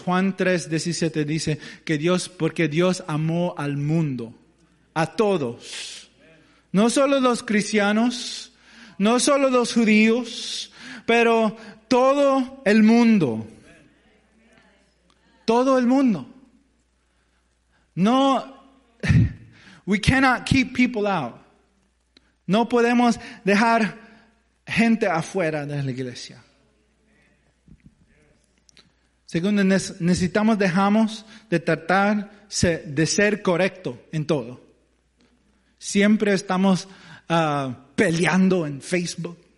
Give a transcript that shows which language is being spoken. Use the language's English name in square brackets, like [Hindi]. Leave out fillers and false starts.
[Spanish] Juan 3:17 dice que Dios amó al mundo, a todos. No solo los cristianos, no solo los judíos, pero todo el mundo. Todo el mundo. [English] No, we cannot keep people out. [Spanish] No podemos dejar gente afuera de la iglesia. Segundo, dejamos de tratar de ser correcto en todo. Siempre estamos peleando en Facebook.